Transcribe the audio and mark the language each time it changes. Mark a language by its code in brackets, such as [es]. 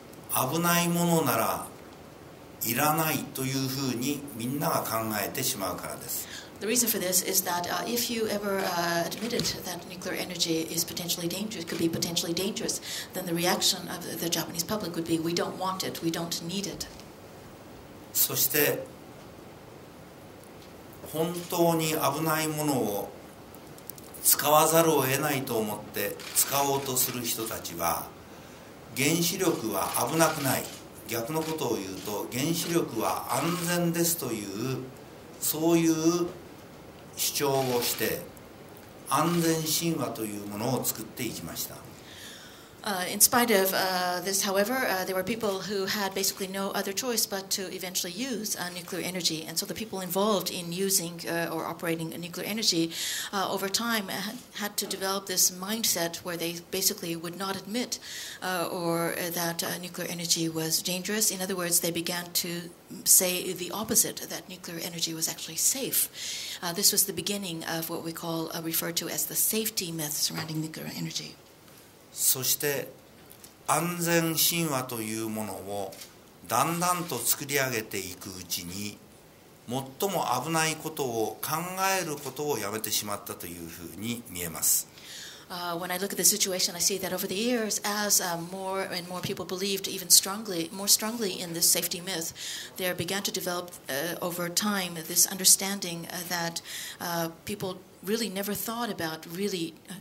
[ja] 危ないものならいらないというふうにみんなが考えてしまうからです。 [en] The reason for this is that if you ever admitted that nuclear energy is potentially dangerous, could be potentially dangerous, then the reaction of the Japanese public would be, we don't want it, we don't need it. [ja] そして本当に危ないものを使わざるを得ないと思って使おうとする人たちは、原子力は危なくない。逆のことを言うと、原子力は安全ですという、そういう主張をして、安全神話というものを作っていきました。 [en] In spite of this, however, there were people who had basically no other choice but to eventually use nuclear energy. And so the people involved in using or operating nuclear energy over time had to develop this mindset where they basically would not admit nuclear energy was dangerous. In other words, they began to say the opposite, that nuclear energy was actually safe. This was the beginning of what we call, referred to as the safety myth surrounding nuclear energy. [ja] そして安全神話というものをだんだんと作り上げていくうちに、最も危ないことを考えることをやめてしまったというふうに見えます。 [en] When I look at the situation, I see that over the years, as more and more people believed even strongly, more strongly in this safety myth, there began to develop over time this understanding that people really never thought about really.